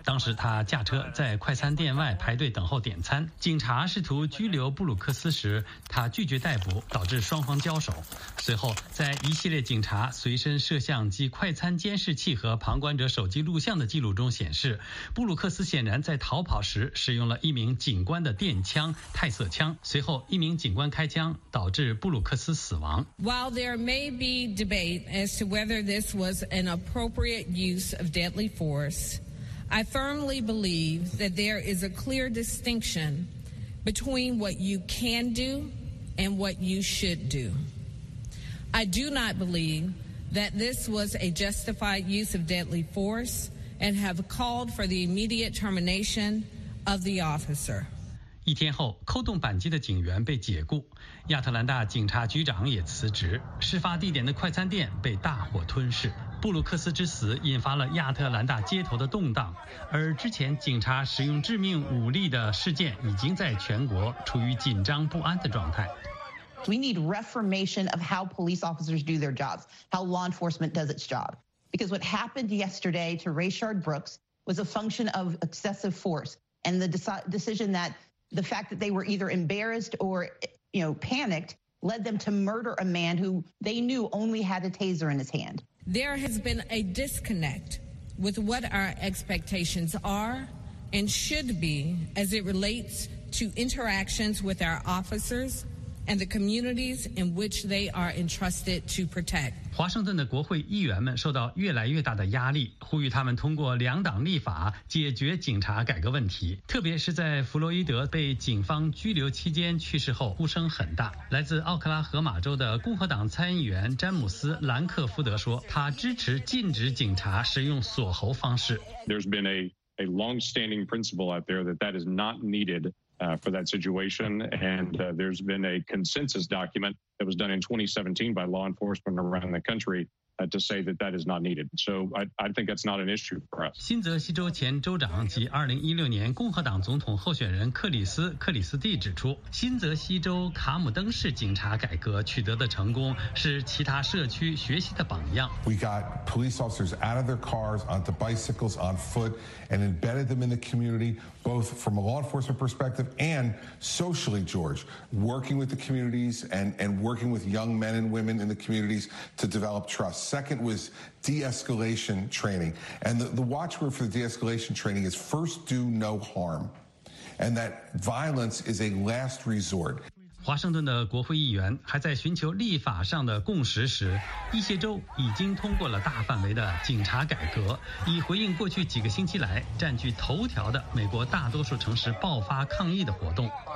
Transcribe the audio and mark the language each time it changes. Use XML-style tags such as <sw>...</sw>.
<zh>当时他驾车在快餐店外排队等候点餐，警察试图拘留布鲁克斯时，他拒绝逮捕，导致双方交手。随后，在一系列警察随身摄像机、快餐监视器和旁观者手机录像的记录中显示，布鲁克斯显然在逃跑时使用了一名警官的电枪——泰瑟枪。随后，一名警官开枪导致布鲁克斯死亡。</zh> <en>While there may be debate as to whether this was an appropriate use of deadly force, I firmly believe that there is a clear distinction between what you can do and what you should do. I do not believe that this was a justified use of deadly force and have called for the immediate termination of the officer.</en> <zh>一天后，扣动扳机的警员被解雇，亚特兰大警察局长也辞职，事发地点的快餐店被大火吞噬。布鲁克斯之死引发了亚特兰大街头的动荡，而之前警察使用致命武力的事件已经在全国处于紧张不安的状态。</zh> <en>We need reformation of how police officers do their jobs, how law enforcement does its job. Because what happened yesterday to Rayshard Brooks was a function of excessive force and the decision thatThe fact that they were either embarrassed or, you know, panicked led them to murder a man who they knew only had a taser in his hand. There has been a disconnect with what our expectations are and should be as it relates to interactions with our officers and the communities in which they are entrusted to protect.</en> <zh>华盛顿的国会议员们受到越来越大的压力，呼吁他们通过两党立法解决警察改革问题，特别是在弗洛伊德被警方拘留期间去世后，呼声很大。来自奥克拉荷马州的共和党参议员詹姆斯·兰克福德说，他支持禁止警察使用锁喉方式。</zh> <en>There's been a long-standing principle out there that is not needed for that situation, and there's been a consensus document that was done in 2017 by law enforcement around the country to say that that is not needed. So I think that's not an issue for us.</en> <zh>新泽西州前州长及2016年共和党总统候选人克里斯·克里斯蒂指出，新泽西州卡姆登市警察改革取得的成功是其他社区学习的榜样。</zh> <en>We got police officers out of their cars, onto bicycles, on foot, and embedded them in the community, both from a law enforcement perspective and socially, George, working with the communities and working with young men and women in the communities to develop trust. Second was de-escalation training. And the watchword for the de-escalation training is first do no harm. And that violence is a last resort.</en> <zh>华盛顿的国会议员还在寻求立法上的共识时，一些州已经通过了大范围的警察改革，以回应过去几个星期来占据头条的美国大多数城市爆发抗议的活动。</zh>